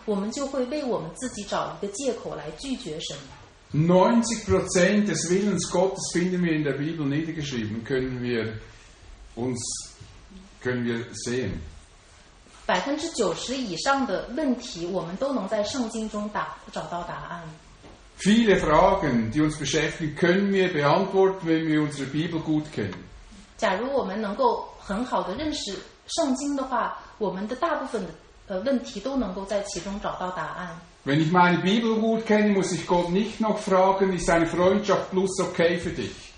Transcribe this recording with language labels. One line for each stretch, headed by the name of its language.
Chinese: 我们不能接受神和我们有不同的意见，当我们真的发现神跟我们的意见确实不同，神对我们有不同的计划的时候，我们就会为我们自己找一个借口来拒绝神。
German: 90% des Willens Gottes finden wir in der Bibel niedergeschrieben, können wir sehen.
Chinese: 90%以上的问题，我们都能在圣经中找到答案。
German: Viele Fragen, die uns beschäftigen, können wir beantworten, wenn wir unsere Bibel gut kennen.
Chinese: 假如我们能够很好的认识圣经的话，我们的大部分的问题都能够在其中找到答案。
German: Wenn ich meine Bibel gut kenne, muss ich Gott nicht noch fragen, ist seine Freundschaft plus okay für dich?